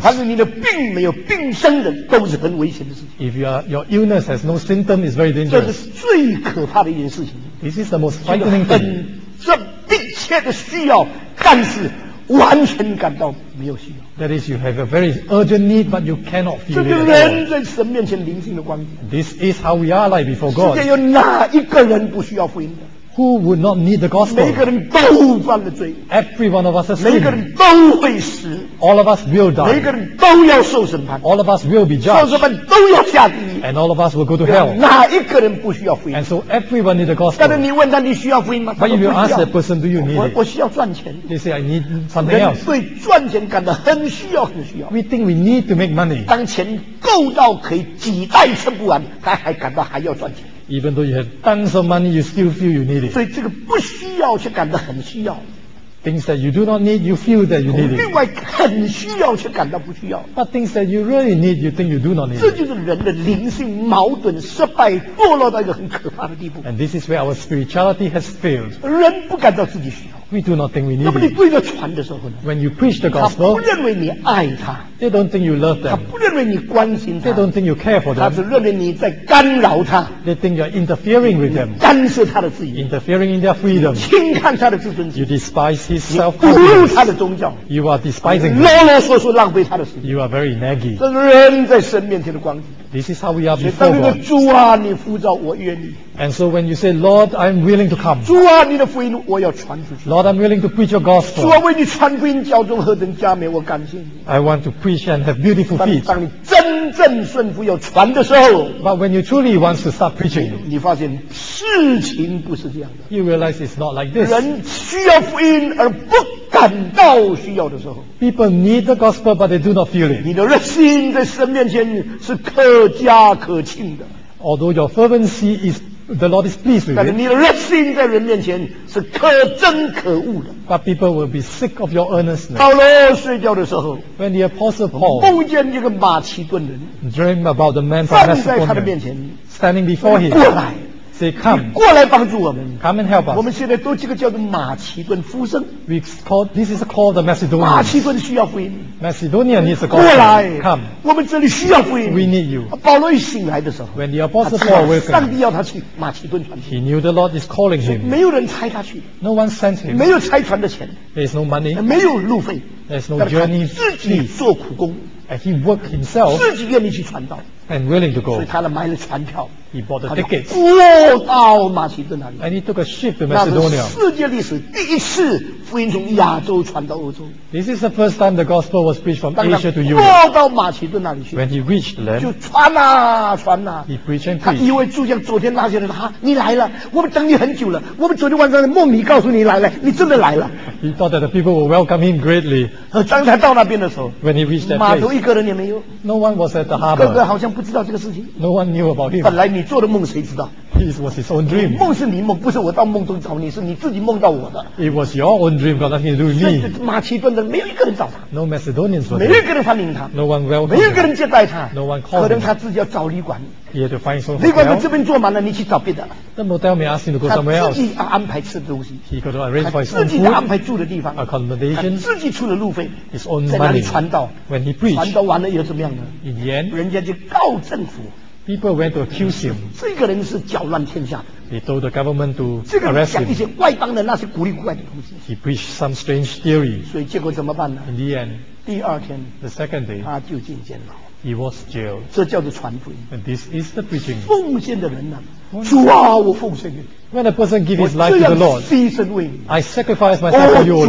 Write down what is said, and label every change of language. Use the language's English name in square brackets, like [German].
[Chinese] 但是你的病没有病症的都是很危险的事情。 [English] If your illness has no symptom, it's very dangerous. [Chinese] 这是最可怕的一件事情。 [English] This is the most frightening thing. [Chinese] 这迫切的需要，但是完全感到没有需要。 [English] That is, you have a very urgent need, but you cannot feel it. [Chinese] 这个人在神面前灵性的光景。 [English] This is how we are like before God. [Chinese] 世界有哪一个人不需要福音的？ [English] Who would not need the gospel? [Chinese] 每个人都犯了罪。 [English] Every one of us has sinned. [Chinese] 每个人都会死。 [English] All of us will die. [Chinese] 每个人都要受审判。 [English] All of us will be judged. [Chinese] 受审判都要下地狱。 [English] And all of us will go to hell. [Chinese] 哪一个人不需要福音？ [English] And so everyone needs the gospel. [Chinese] 但是你问他你需要福音吗？ [English] But if you ask that person, do you need it? [Chinese] 我需要赚钱。 [English] They say, I need something else. [Chinese] 人对赚钱感到很需要很需要。 [English] We think we need to make money. [Chinese] 当钱够到可以几代吃不完，他还感到还要赚钱。 [English] Even though you have tons of money, you still feel you need it. [Chinese] 所以这个不需要却感到很需要。 [English] Things that you do not need, you feel that you need it. [Chinese] 另外很需要却感到不需要。 [English] But things that you really need, you think you do not need. [Chinese] 这就是人的灵性矛盾失败堕落到一个很可怕的地步。 [English] And this is where our spirituality has failed. [Chinese] 人不感到自己需要。 [English] We do not think we need it. [Chinese] 那么你对着传的时候呢？ [English] When you preach the gospel, [Chinese] 他不认为你爱他。 [English] They don't think you love them. [Chinese] 他不认为你关心他。 [English] They don't think you care for them. [Chinese] 他只认为你在干扰他。 [English] They think you're interfering with them. [Chinese] 干涉他的自由。 [English] Interfering in their freedom. [Chinese] 轻看他的自尊心。 [English] You despise his self. [Chinese] 侮辱他的宗教。 [English] You are despising. [Chinese] 啰啰嗦嗦浪费他的时间。 [English] You are very naggy. [Chinese] 这是人在神面前的光景。 [English] This is how we are before God. [Chinese] 主啊，你呼召我愿意。 [English] And so when you say, Lord, I'm willing to come. [Chinese] 主啊，你的福音我要传出去。 [English] Lord, I'm willing to preach your gospel. [Chinese] 主啊，为你传福音脚中何等佳美，我感谢你。 [English] I want to preach and have beautiful feet. [Chinese] 当你真正顺服要传的时候。 [English] But when you truly want to start preaching, [Chinese] 你发现事情不是这样的。 [English] You realize it's not like this. [Chinese] 人需要福音而不感到需要的时候。 [English] People need the gospel, but they do not feel it. [Chinese] 你的热心在神面前是可嘉可庆的。 [English] Although your fervency is, the Lord is pleased with it. [Chinese] 但是你的热心在人面前是可憎可恶的。 [English] But people will be sick of your earnestness. [Chinese] 保罗睡觉的时候。 [English] When the apostle Paul. [Chinese] 梦见一个马其顿人。 [English] Dream about the man from Macedonia. [Chinese] 站在他的面前。 [English] Standing before him. [Chinese] 过来。 [English] Say, come, [Chinese] 你过来帮助我们。 [English] Come and help us. [Chinese] 我们现在都这个叫做马其顿呼声。 [English] We call this is called the Macedonian. [Chinese] 马其顿需要福音。 [English] Macedonia needs the gospel. [Chinese] 过来 [English] ，Come. [Chinese] 我们这里需要福音。 [English] We need you. [Chinese] 保罗一醒来的时候 [English] ，When the apostle Paul woke up, [Chinese] 上帝要他去马其顿传。 [English] He knew the Lord is calling him. [Chinese] 没有人差他去。 [English] No one sent him. [Chinese] 没有差传的钱。 [English] There's no money. [Chinese] 没有路费。 [English] There's no journey. [Chinese] 自己做苦工。 [English] And he worked himself. [Chinese] 自己愿意去传道。 [English] And willing to go. [Chinese] 所以他买了船票。 [English] He bought the tickets. [Chinese] 过到马其顿那里。 [English] And he took a ship to Macedonia. [Chinese] 那是世界历史第一次福音从亚洲传到欧洲。 [English] This is the first time the gospel was preached from Asia to Europe. [Chinese] 过到马其顿那里去。 [English] When he reached them, [Chinese] 就传啊传啊。 [English] He preached and preached. [Chinese] 他以为就像昨天那些人，你来了，我们等你很久了，我们昨天晚上的梦里告诉你来了，你真的来了。 [English] He thought that the people would welcome him greatly. [Chinese] 当他到那边的时候 [English] ，When he reached that place， [Chinese] 码头一个人也没有。 [English] No one was at the harbor。 [Chinese] 哥哥好像不知道这个事情。 [English] No one knew about him。 [Chinese] 本来你做的梦谁知道 [English] ？It was his own dream。 [Chinese] 梦是你梦，不是我到梦中找你，是你自己梦到我的。 [English] It was your own dream, got nothing to do with me。 [Chinese] 马其顿的人没有一个人找他。 [English] No Macedonians were there。 [Chinese] 没有一个人欢迎他。 [English] No one welcomed。 [Chinese] 没有一个人接待他。 [English] No one called。 [Chinese] 可能他自己要找旅馆。 [English] He had to find some hotel。 [Chinese] 旅馆在这边坐满了，你去找别的。 [English] The motel may ask him to go somewhere else。 [Chinese] 他自己安排吃的东西。 [English] He got to arrange for his own food。 [Chinese] 自己安排住的地方。 [English] Accommodation。 [Chinese] 自己出的路费。 [English] His own money。 [Chinese] 在哪里传道 [English] ？When he preached。 [Chinese] 传道完了又怎么样呢 [English] ？In the end。 [Chinese] 人家就告政府。 [English] People went to accuse him。 [Chinese] 这个人是搅乱天下。 [English] He told the government to arrest him。 [Chinese] 这个人讲一些外邦的那些古里古怪的东西。 [English] He preached some strange theory。 [Chinese] 所以结果怎么办呢 [English] ？In the end。 [Chinese] 第二天。 [English] The second day。 [Chinese] 他就进监牢。 [English] He was jailed. [Chinese] 这叫做传福音。 [English] And this is the preaching. [Chinese] 奉献的人呐、啊，主啊，我奉献给你。 [English] When a person gives his life to the Lord, [Chinese] 牺牲为你。 [English] I sacrifice myself for you, O Lord.